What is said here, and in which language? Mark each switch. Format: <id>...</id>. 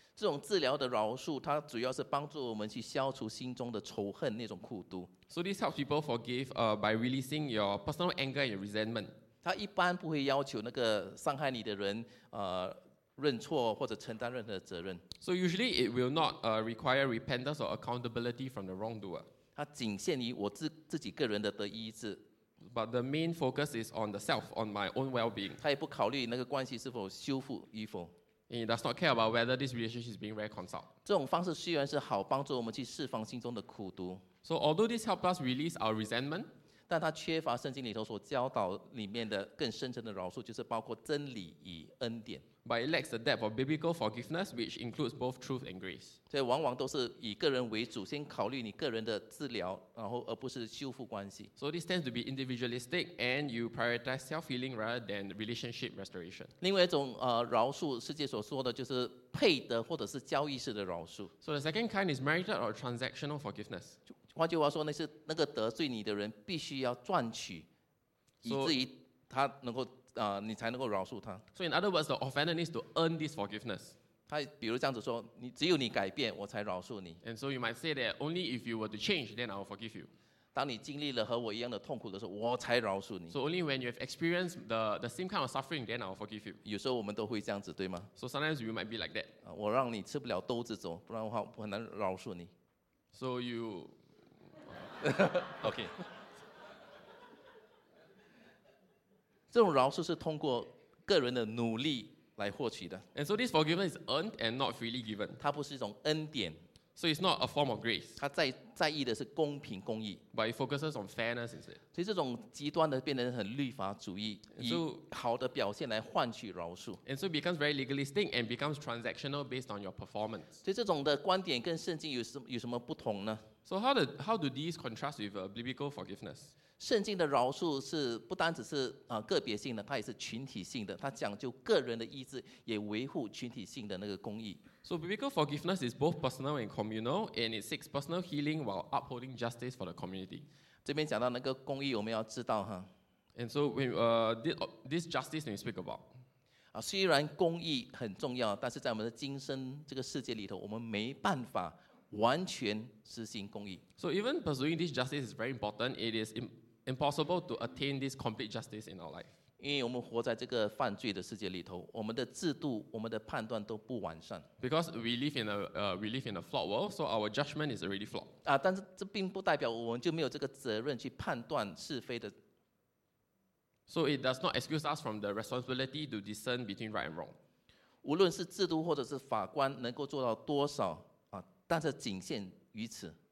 <zh>这种治疗的饶恕，它主要是帮助我们去消除心中的仇恨那种苦毒。</zh> <en>So this helps people forgive by releasing your personal anger and your resentment.</en> <zh>它一般不会要求那个伤害你的人认错或者承担任何责任。</zh> <en>So usually it will not require repentance or accountability from the wrongdoer.</en> <zh>它仅限于我自己个人的得医治。</zh> <en>But the main focus is on the self, on my own well-being.</en> <zh>它也不考虑那个关系是否修复与否。</zh> <en>And it does not care about whether this relationship is being reconciled.</en> <zh>这种方式虽然是好帮助我们去释放心中的苦毒。</zh> <en>So although this helps us release our resentment,</en> <zh>但它缺乏圣经里头所教导里面的更深层的饶恕，就是包括真理与恩典。</zh> <en>But it lacks the depth of biblical forgiveness, which includes both truth and grace.</en> <zh>所以往往都是以个人为主，先考虑你个人的治疗，然后而不是修复关系。</zh> <en>So this tends to be individualistic, and you prioritize self-healing rather than relationship restoration.</en> <zh>另外一种饶恕，世界所说的就是配得或者是交易式的饶恕。</zh> <en>So the second kind is merited or transactional forgiveness.</en> <zh>换句话说，那是那个得罪你的人必须要赚取，以至于他能够。你才能够饶恕他。</zh> <en>So in other words, the offender needs to earn this forgiveness.</en> <zh>他比如这样子说，你只有你改变，我才饶恕你。</zh> <en>And so you might say that only if you were to change, then I will forgive you.</en> <zh>当你经历了和我一样的痛苦的时候，我才饶恕你。</zh> <en>So only when you have experienced the same kind of suffering, then I will forgive you.</en> <zh>有时候我们都会这样子，对吗</zh> <en>？So sometimes we might be like that.</en> <zh>我让你吃不了兜子走，不然的话我很难饶恕你。</zh> <en>So you, okay.</en> <zh>这种饶恕是通过个人的努力来获取的。</zh> <en>And so this forgiveness is earned and not freely given.</en> <zh>它不是一种恩典。</zh> <en>So it's not a form of grace.</en> <zh>它在意的是公平公义。</zh> <en>But it focuses on fairness instead.</en> <zh>所以这种极端的变成很律法主义，以好的表现来换取饶恕。</zh> <en>And so it becomes very legalistic and becomes transactional based on your performance.</en> <zh>所以这种的观点跟圣经有什么不同呢？</zh> <en>So how do these contrast with biblical forgiveness?</en> <zh>圣经的饶恕是不单只是个别性的，它也是群体性的。它讲究个人的意志，也维护群体性的那个公义。</zh> <en>So biblical forgiveness is both personal and communal, and it seeks personal healing while upholding justice for the community.</en> <zh>这边讲到那个公义，我们要知道哈。</zh> <en>And so when this justice we speak about.</en> <zh>虽然公义很重要，但是在我们的今生这个世界里头，我们没办法完全实行公义。</zh> <en>So even pursuing this justice is very important. It is impossible to attain this complete justice in our life.</en> <zh>因为我们活在这个犯罪的世界里头，我们的制度、我们的判断都不完善。</zh> <en>Because we live in a flawed world, so our judgment is already flawed.</en> <zh>但是这并不代表我们就没有这个责任去判断是非的。</zh> <en>So it does not excuse us from the responsibility to discern between right and wrong.</en> <zh>无论是制度或者是法官能够做到多少。但是仅限于此。</zh>